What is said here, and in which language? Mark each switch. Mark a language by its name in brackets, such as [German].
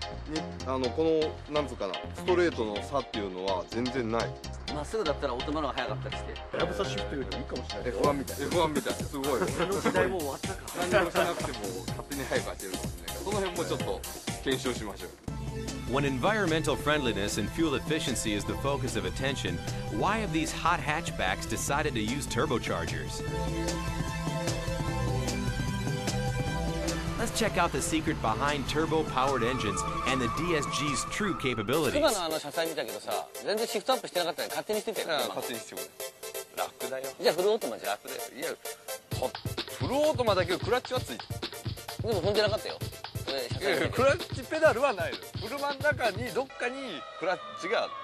[Japanese] にあのこの何つうかなストレートの差っていうのは全然ない。まっすぐだったら大人のが早かったりして。ヤブサシフトよりもいいかもしれない。 F1 みたい。F1 みたい。すごい。この時代も終わったか。何もしなくても勝手に早く走るかもしれない。その辺もちょっと検証しましょう。 [English] When environmental friendliness and fuel efficiency is the focus of attention, why have these hot hatchbacks decided to use turbochargers? Let's check out the secret behind turbo-powered engines and the DSG's true capabilities. [Japanese] クマのあの車載見たけどさ、全然シフトアップしてなかったね。勝手にしてたよ。勝手にしてた。楽だよ。じゃあフルオートマじゃ楽だよ。いや、フルオートマだけどクラッチはついて。でも踏んでなかったよ。クラッチペダルはないよ。車の中にどっかにクラッチがある。